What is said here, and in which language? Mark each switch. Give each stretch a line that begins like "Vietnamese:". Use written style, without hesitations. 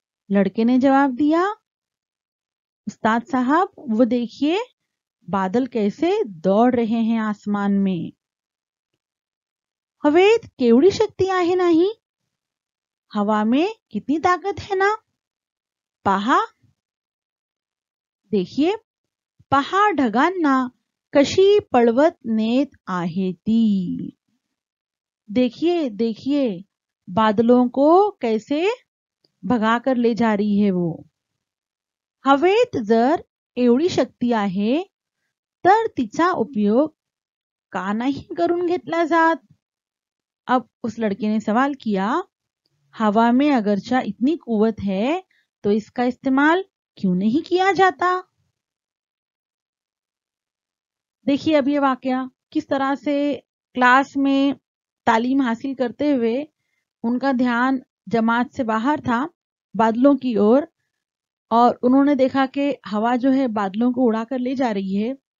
Hindi: लड़के ने जवाब दिया, उस्ताद साहब वो देखिए बादल कैसे दौड़ रहे हैं आसमान में.
Marathi: हवेत केवड़ी शक्ति आहे नाही,
Hindi: हवा में कितनी ताकत है ना,
Marathi: पहा देखिए पहा ढगांना कशी पळवत नेत आहे ती.
Hindi: देखिए देखिए बादलों को कैसे भगा कर ले जा रही है वो.
Marathi: हवेत जर एवढी शक्ती आहे तर तिचा उपयोग का नाही करून घेतला जात.
Hindi: अब उस लड़के ने सवाल किया, हवा में अगरचा इतनी कुवत है तो इसका इस्तेमाल क्यों नहीं किया जाता. देखिए अब ये वाकया किस तरह से क्लास में तालीम हासिल करते हुए उनका ध्यान जमात से बाहर था, बादलों की ओर, और उन्होंने देखा कि हवा जो है बादलों को उड़ाकर ले जा रही है.